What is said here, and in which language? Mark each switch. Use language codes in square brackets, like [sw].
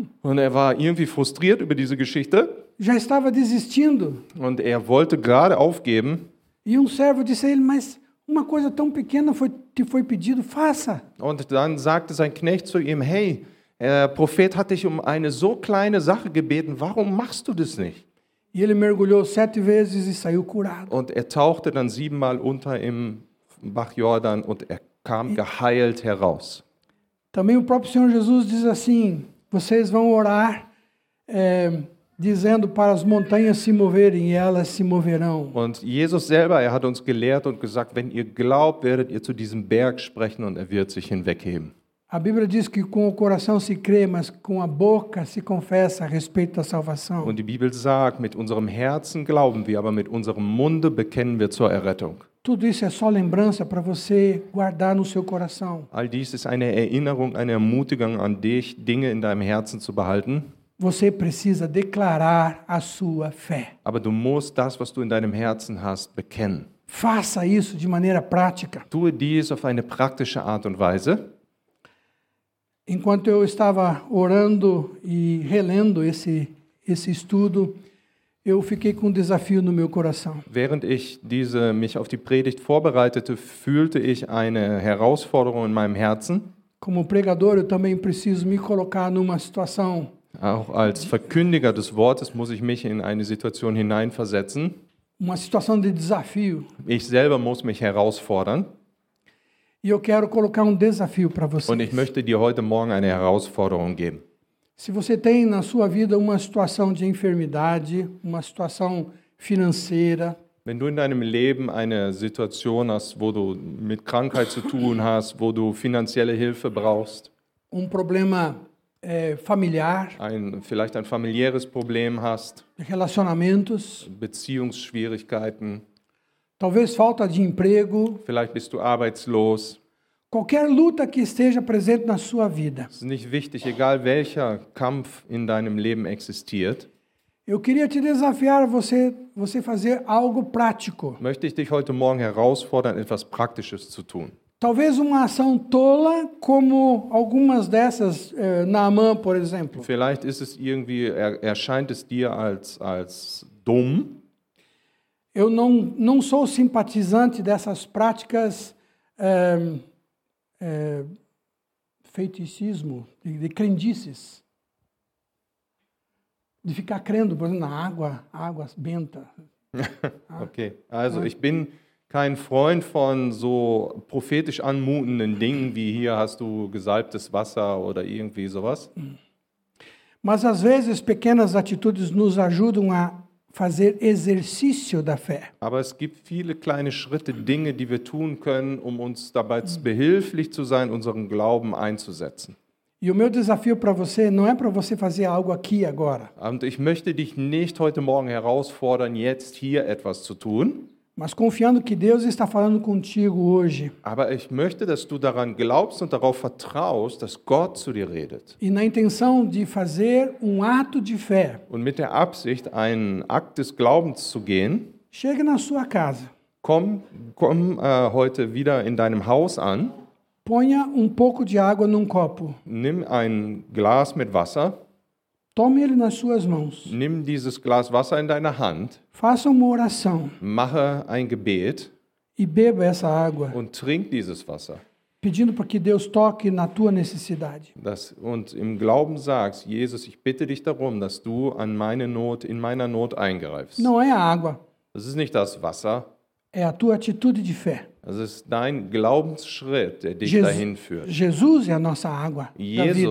[de] Und war irgendwie frustriert über diese Geschichte. [pt] Já estava desistindo. [de] Und wollte gerade aufgeben. [pt] E um servo disse a ele: "Mas uma coisa tão pequena foi te foi pedido, faça." [de] Und dann sagte sein Knecht zu ihm: "Hey, der Prophet hat dich um eine so kleine Sache gebeten, warum machst du das nicht?" [pt] E ele mergulhou 7 vezes e saiu curado. [de] Und tauchte dann 7-mal unter im Bach Jordan und kam geheilt heraus. [pt] Também o próprio Senhor Jesus diz assim: "Vocês vão orar dizendo para as montanhas se moverem e elas se moverão." [de] Und Jesus selber, hat uns gelehrt und gesagt: "Wenn ihr glaubt, werdet ihr zu diesem Berg sprechen und wird sich hinwegheben." [pt] A Bíblia diz que com o coração se crê, mas com a boca se confessa a respeito da salvação. [de] Und die Bibel sagt: "Mit unserem Herzen glauben wir, aber mit unserem Munde bekennen wir zur Errettung." [pt] Tudo isso é só lembrança para você guardar no seu coração. [de] All dies ist eine Erinnerung, eine Ermutigung an dich, Dinge in deinem Herzen zu behalten. [pt] Você precisa declarar a sua fé. [de] Aber du musst das, was du in deinem Herzen hast, bekennen. [pt] Faça isso de maneira prática. [de] Tue dies auf eine praktische Art und Weise. [pt] Enquanto eu estava orando e relendo esse estudo, eu fiquei com um desafio no meu coração. [de] Während ich mich auf die Predigt vorbereitete, fühlte ich eine Herausforderung in meinem Herzen. [pt] Como pregador, eu também preciso me colocar numa situação. [de] Auch als Verkündiger des Wortes muss ich mich in eine Situation hineinversetzen. [pt] Uma situação de desafio. [de] Ich selber muss mich herausfordern. [pt] E eu quero colocar um desafio para vocês. [de] Und ich möchte dir heute Morgen eine Herausforderung geben. [pt] Se você tem na sua vida uma situação de enfermidade, uma situação financeira. [de] Wenn du in deinem Leben eine Situation hast, wo du mit Krankheit zu tun hast, wo du finanzielle Hilfe brauchst. [pt] Um problema familiar. [de] Vielleicht ein familiäres Problem hast. [pt] Relacionamentos. [de] Beziehungsschwierigkeiten. [pt] Talvez falta de emprego. [de] Vielleicht bist du arbeitslos. [pt] Qualquer luta que esteja presente na sua vida. [de] Es ist nicht wichtig, egal welcher Kampf in deinem Leben existiert. [pt] Eu queria te desafiar você fazer algo prático. [de] Möchte ich dich heute Morgen herausfordern, etwas Praktisches zu tun. [pt] Talvez uma ação tola como algumas dessas Naamã, por exemplo. [de] Vielleicht ist es irgendwie erscheint es dir als dumm. [pt] Eu não sou simpatizante dessas práticas feiticismo, de crendices. De ficar crendo, por exemplo, na água benta. Ok. [de] Also, ich bin kein Freund von so prophetisch anmutenden Dingen, wie hier hast du gesalbtes Wasser oder irgendwie sowas. [pt] Mas às vezes pequenas atitudes nos ajudam a fazer exercício da fé. [de] Aber es gibt viele kleine Schritte, Dinge, die wir tun können, uns dabei behilflich zu sein, unseren Glauben einzusetzen. [pt] E o meu desafio para você não é para você fazer algo aqui agora. [de] Und ich möchte dich nicht heute Morgen herausfordern, jetzt hier etwas zu tun. [pt] Mas confiando que Deus está falando contigo hoje. [de] Aber ich möchte, dass du daran glaubst und darauf vertraust, dass Gott zu dir redet. [pt] E na intenção de fazer ato de fé. [de] Und mit der Absicht, einen Akt des Glaubens zu gehen. [pt] Chegue na sua casa. [de] Komm heute wieder in deinem Haus an. [pt] Ponha pouco de água num copo. [de] Nimm ein Glas mit Wasser. [pt] Tome ele nas suas mãos. [de] Nimm dieses Glas Wasser in deine Hand. [pt] Faça uma oração. [de] Mache ein Gebet. [pt] E beba essa água. [de] Und trink dieses Wasser. [pt] Pedindo para que Deus toque na tua necessidade. [de] Und im Glauben sagst: "Jesus, ich bitte dich darum, dass du in meiner Not eingreifst." [pt] Não é a água. [de] Es ist nicht das Wasser. [pt] É a tua atitude de fé. [de] Es ist dein Glaubensschritt, der dich dahin führt. [pt] Jesus é a nossa água Jesus, da vida.